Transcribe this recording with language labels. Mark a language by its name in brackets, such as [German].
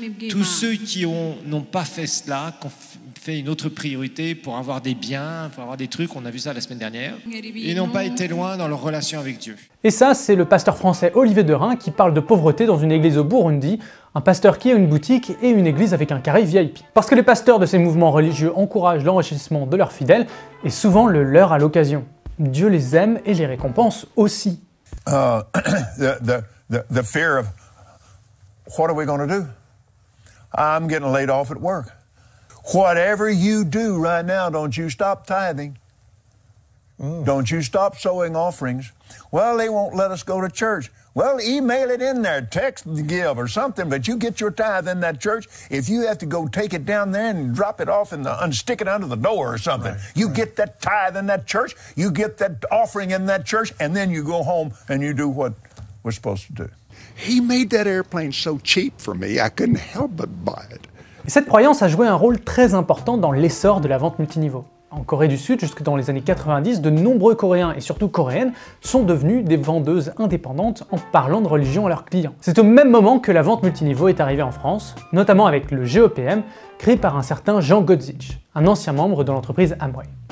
[French] Tous ceux qui n'ont pas fait cela, qui ont fait une autre priorité pour avoir des biens, pour avoir des trucs, on a vu ça la semaine dernière, ils n'ont pas été loin dans leur relation avec Dieu. Et ça, c'est le pasteur français Olivier Derain qui parle de pauvreté dans une église au Burundi, un pasteur qui a une boutique et une église avec un carré VIP. Parce que les pasteurs de ces mouvements religieux encouragent l'enrichissement de leurs fidèles, et souvent le leur à l'occasion. Dieu les aime et les récompense aussi. [English] The fear of what are we going to do? I'm getting laid off at work. Whatever you do right now, don't you stop tithing. Don't you stop sowing offerings. Well, they won't let us go to church. Well, email it in there, text give or something, but you get your tithe in that church. If you have to go take it down there and drop it off in the, and stick it under the door or something, right, you right. get that tithe in that church, you get that offering in that church, and then you go home and you do what we're supposed to do. He made that airplane so cheap for me, I couldn't help but buy it. [French] Et cette croyance a joué un rôle très important dans l'essor de la vente multiniveau. En Corée du Sud, jusque dans les années 90, de nombreux Coréens, et surtout Coréennes, sont devenus des vendeuses indépendantes en parlant de religion à leurs clients. C'est au même moment que la vente multiniveau est arrivée en France, notamment avec le GEPM, créé par un certain Jean Godzich, un ancien membre de l'entreprise Amway.